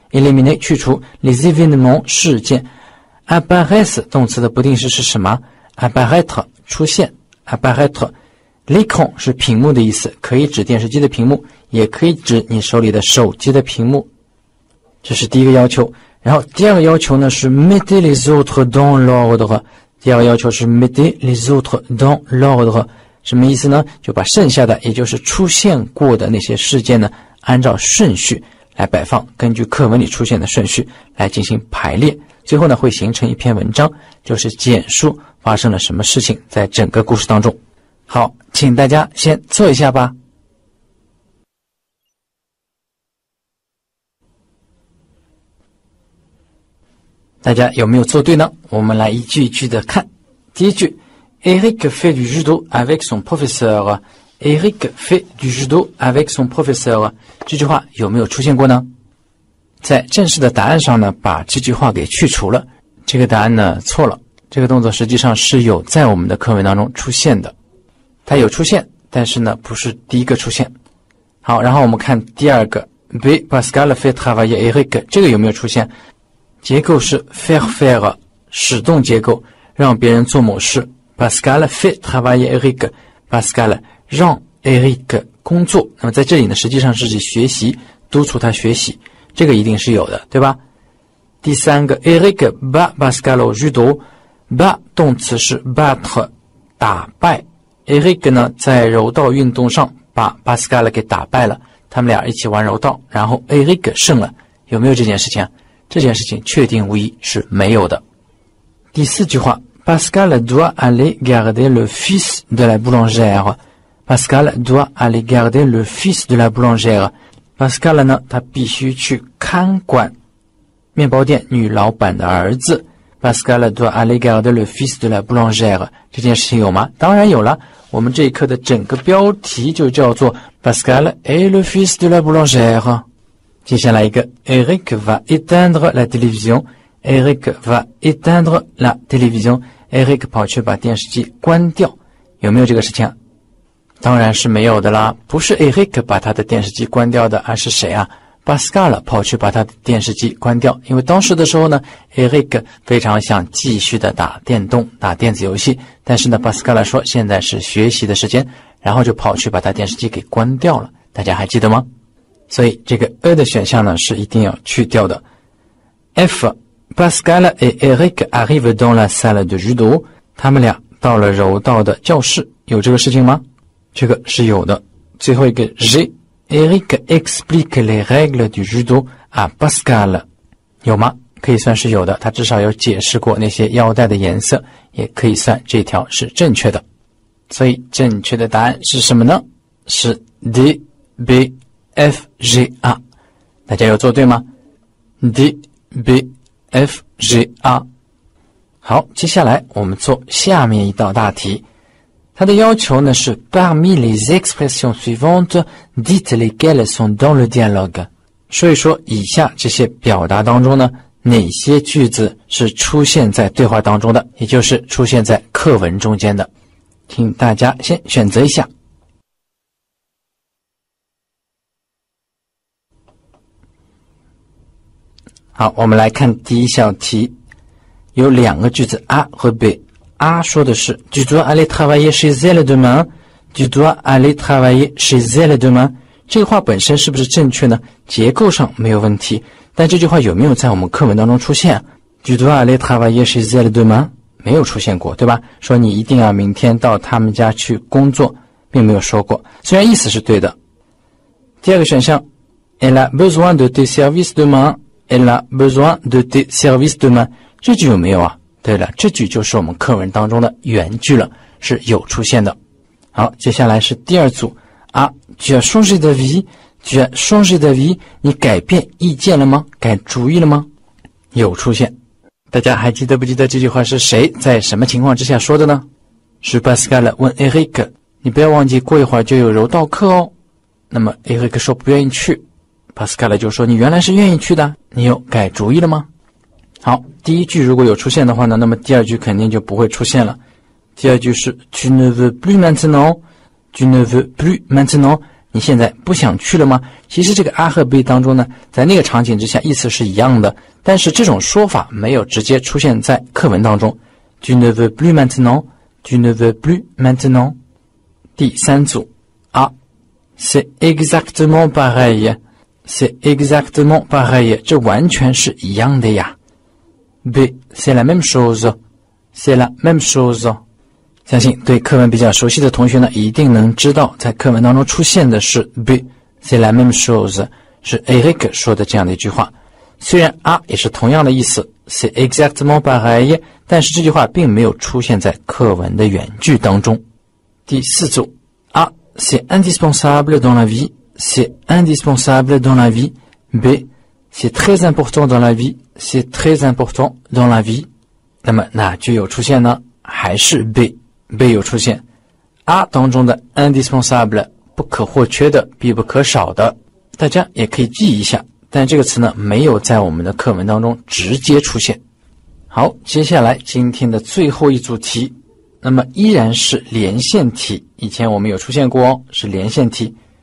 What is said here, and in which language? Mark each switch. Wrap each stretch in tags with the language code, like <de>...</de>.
<zh>eliminate 去除</zh> <fr>les événements</fr> <zh>事件 apparaître 动词的不定式是什么 apparaître 出现 apparaître l'écran 是屏幕的意思，可以指电视机的屏幕，也可以指你手里的手机的屏幕，这是第一个要求。然后第二个要求呢是</zh> <fr>mettre les autres dans l'ordre，</fr> <zh>第二个要求是 mettre les autres dans l'ordre， 什么意思呢？就把剩下的，也就是出现过的那些事件呢，按照顺序来摆放，根据课文里出现的顺序来进行排列，最后呢会形成一篇文章，就是简述发生了什么事情在整个故事当中。好，请大家先做一下吧。大家有没有做对呢？我们来一句一句的看。第一句</zh> <fr>，Eric fait du judo avec son professeur. Eric fait du judo avec son professeur.</fr> <zh>这句话有没有出现过呢？在正式的答案上呢，把这句话给去除了。这个答案呢错了。这个动作实际上是有在我们的课文当中出现的。它有出现，但是呢不是第一个出现。好，然后我们看第二个</zh> <fr>，B Pascal fait travailler Eric.</fr> <zh>这个有没有出现？结构是 faire faire， 使动结构，让别人做某事。</zh> <fr>Pascal fait travailler Eric， Pascal</fr> <zh>让</zh> <fr>Eric</fr> <zh>工作。那么在这里呢，实际上是指学习，督促他学习，这个一定是有的，对吧？</zh> <fr>第三个 ，Eric bat Pascal au judo， bat</fr> <zh>动词是</zh> <fr>battre，</fr> <zh>打败。 Eric 呢，在柔道运动上把 Pascal 给打败了，他们俩一起玩柔道，然后 Eric 胜了，有没有这件事情？这件事情确定无疑是没有的。第四句话</zh> <fr>，Pascal doit aller garder le fils de la boulangère. Pascal doit aller garder le fils de la boulangère.</fr> <zh>Pascal 呢，他必须去看管面包店女老板的儿子。</zh> <fr>Pascal doit aller garder le fils de la boulangère.</fr> <zh>这件事情有吗？当然有了。我们这一课的整个标题就叫做</zh> <fr>Pascal est le fils de la boulangère。接下来一个 ，Eric va éteindre la télévision. Eric va éteindre la télévision.</fr> <zh>Eric 跑去把电视机关掉，有没有这个事情？当然是没有的啦，不是 Eric 把他的电视机关掉的，而是谁啊 ？Pascal 跑去把他的电视机关掉，因为当时的时候呢 ，Eric 非常想继续的打电动、打电子游戏，但是呢 ，Pascal 说现在是学习的时间，然后就跑去把他电视机给关掉了。大家还记得吗？所以这个 e 的选项呢是一定要去掉的。</zh> <fr>F Pascal et Eric arrivent dans la salle de judo，</fr> <zh>他们俩到了柔道的教室，有这个事情吗？这个是有的。最后一个</zh> <fr>G, Eric explique les règles du judo à Pascal.</fr> <zh>有吗？可以算是有的，他至少有解释过那些腰带的颜色，也可以算这条是正确的。所以正确的答案是什么呢？是 D, B, F, G, R。大家有做对吗？ D, B, F, G, R。好，接下来我们做下面一道大题。他的要求呢是</zh> <fr>Parmi les expressions suivantes, dites lesquelles sont dans le dialogue。</fr> <zh>说一说以下这些表达当中呢，哪些句子是出现在对话当中的，也就是出现在课文中间的。请大家先选择一下。好，我们来看第一小题，有两个句子 A 和 B。</zh> <fr>A 说的是 Tu dois aller travailler chez elle demain, Tu dois aller travailler chez elle demain。</fr> <zh>这个话本身是不是正确呢？结构上没有问题，但这句话有没有在我们课文当中出现？</zh> <fr>Tu dois aller travailler chez elle demain？</fr> <zh>没有出现过，对吧？说你一定要明天到他们家去工作，并没有说过，虽然意思是对的。第二个选项</zh> <fr>Elle a besoin de tes services demain。 Elle a besoin de tes services demain。</fr> <zh>这句有没有啊？对了，这句就是我们课文当中的原句了，是有出现的。好，接下来是第二组啊。</zh> <fr>Tu as changé d'avis? Tu as changé d'avis?</fr> <zh>你改变意见了吗？改主意了吗？有出现。大家还记得不记得这句话是谁在什么情况之下说的呢？是 Pascal 问 Eric， 你不要忘记过一会儿就有柔道课哦。那么 Eric 说不愿意去，帕斯卡勒就说你原来是愿意去的，你又改主意了吗？好，第一句如果有出现的话呢，那么第二句肯定就不会出现了。</zh> <fr>第二句是 Tu ne veux plus maintenant? Tu ne veux plus maintenant?</fr> <zh>你现在不想去了吗？其实这个 A 和 B 当中呢，在那个场景之下意思是一样的，但是这种说法没有直接出现在课文当中。</zh> <fr>Tu ne veux plus maintenant? Tu ne veux plus maintenant? 第三组 A C'est exactement pareil。 C'est exactement pareil，</fr> <zh>这完全是一样的呀。</zh> <fr>B, c'est la même chose, c'est la même chose。</fr> <zh>相信对课文比较熟悉的同学呢，一定能知道在课文当中出现的是 B,</zh> <fr>c'est la même chose，</fr> <zh>是 Eric 说的这样的一句话。虽然 A 也是同样的意思</zh> <fr>c'est exactement pareil，</fr> <zh>但是这句话并没有出现在课文的原句当中。</zh> <fr>第四组 A, c'est indispensable dans la vieC'est indispensable dans la vie. B, c'est très important dans la vie. C'est très important dans la vie.</fr> <zh>那么哪句有出现呢？还是 B, B 有出现。 A 当中的 indispensable, 不可或缺的，必不可少的，大家也可以记一下，但这个词呢，没有在我们的课文当中直接出现。好，接下来今天的最后一组题，那么依然是连线题，以前我们有出现过哦，是连线题。</zh>